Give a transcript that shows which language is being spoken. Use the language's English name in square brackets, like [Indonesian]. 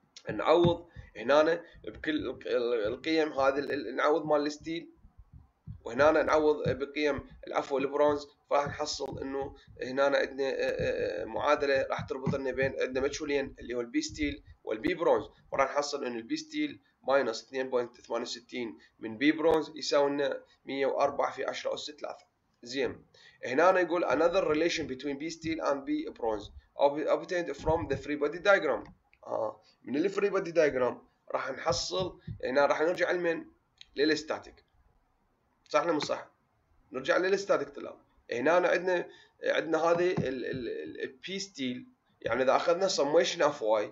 [Arabic] نعوض هنا بكل القيم هذه نعوض مال الستيل وهنا نعوض بقيم العفو البرونز راح نحصل انه هنا عندنا معادله راح تربط لنا بين عندنا ماتشولين اللي هو البي ستيل والبي برونز وراح نحصل انه البي ستيل ماينس 2.68 من بي برونز يساوي لنا 104 في 10 اس 3. زين هنا يقول [English] another relation between P steel and P bronze obtained from the free body diagram. [Arabic] من الفري بودي دايجرام راح نحصل هنا راح نرجع لمن للاستاتيك صح ولا مو صح نرجع للاستاتيك طلاب هنا عندنا هذه البي ستيل يعني اذا اخذنا سميشن اف